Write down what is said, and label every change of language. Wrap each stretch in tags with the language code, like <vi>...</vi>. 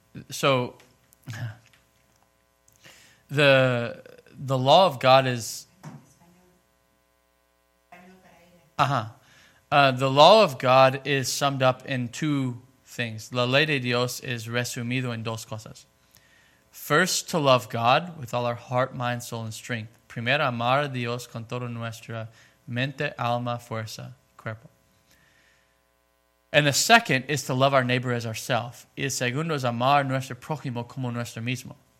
<en>So the law of God is... The law of God is summed up in two things.</en> <es>La ley de Dios es resumido en dos cosas.</es> <en>First, to love God with all our heart, mind, soul, and strength.</en> <es>Primero, amar a Dios con toda nuestra mente, alma, fuerza, cuerpo.</es> <en>And the second is to love our neighbor as ourself.</en> <es>Y el segundo es amar nuestro prójimo como nuestro mismo.</es>